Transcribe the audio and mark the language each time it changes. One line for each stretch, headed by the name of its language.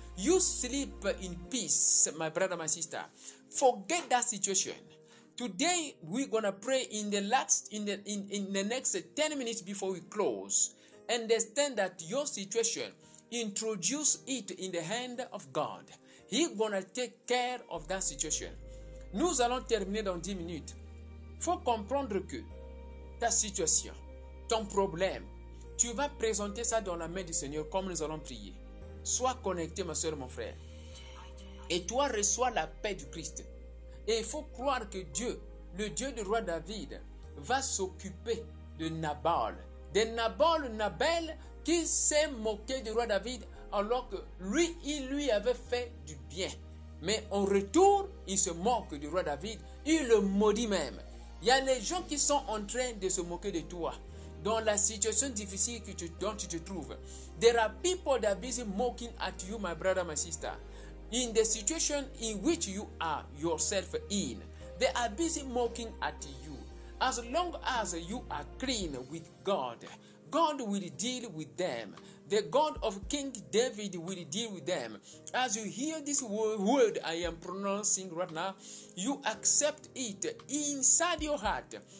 English: You sleep in peace, my brother, my sister. Forget that situation. Today, we're going to pray in the next 10 minutes before we close. Understand that your situation, introduce it in the hand of God. He's going to take care of that situation.
French: Nous allons terminer dans 10 minutes. Il faut comprendre que ta situation, ton problème, tu vas présenter ça dans la main du Seigneur comme nous allons prier. Sois connecté, ma soeur, mon frère. Et toi, reçois la paix du Christ. Et il faut croire que Dieu, le Dieu du roi David, va s'occuper de Nabal. De Nabal, Nabal, qui s'est moqué du roi David alors que lui, il lui avait fait du bien. Mais en retour, il se moque du roi David, il le maudit même. Il y a les gens qui sont en train de se moquer de toi dans la situation difficile que dont tu te trouves.
English: There are people that are mocking at you, my brother, my sister, in the situation in which you are yourself in. They are busy mocking at you. As long as you are clean with God, God will deal with them. The God of King David will deal with them. As you hear this word I am pronouncing right now, you accept it inside your heart.